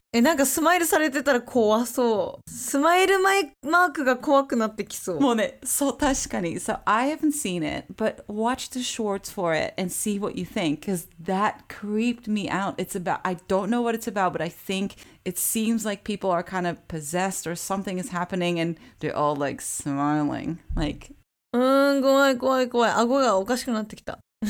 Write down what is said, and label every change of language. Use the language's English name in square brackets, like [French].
[Japanese] え、なんかスマイルされてたら怖そう。スマイルマークが怖くなってきそう。もうね、そう、確かに。 [English] So, I haven't seen it, but watch the shorts for it and see what you think, because that creeped me out. It's about, I don't know what it's about, but I think it seems like people are kind of possessed or something is happening and they're all like smiling. Like, [Japanese] 怖い。顎がおかしくなってきた。